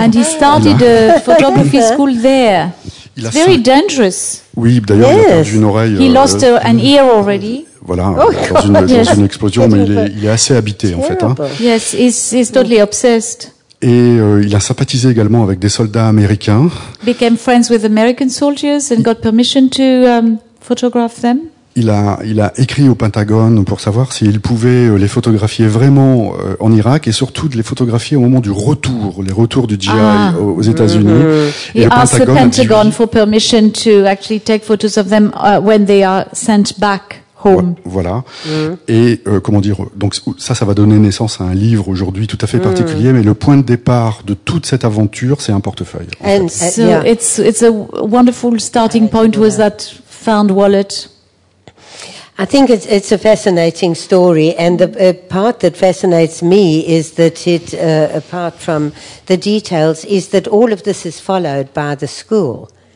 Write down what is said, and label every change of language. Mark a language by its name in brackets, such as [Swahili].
[English] And he started a photography school there. It's very dangerous. [French] Oui, d'ailleurs, yes. Il a perdu une oreille. [English] He lost an ear already. [French] Voilà, oh, dans, God, une, yes. dans une explosion, mais il est assez habité, [English] terrible. [French] En fait. Hein. [English] Yes, he's totally obsessed. [French] Et il a sympathisé également avec des soldats américains. [English] Became friends with American soldiers and got permission to photograph them. [French] Il a écrit au Pentagone pour savoir s'il pouvait les photographier vraiment en Irak et surtout de les photographier au moment du retour, les retours du GI aux États-Unis. Mm-hmm. [English] Et he asked the Pentagon for permission to actually take photos of them when they are sent back. [French] Voilà. Mmh. Et comment dire, donc ça va donner naissance à un livre aujourd'hui tout à fait particulier, mais le point de départ de toute cette aventure, c'est un portefeuille. [English] And so it's a wonderful starting point was that found wallet. I think it's a fascinating story, and the part that fascinates me is that it, apart from the details, is that all of this is followed by the school.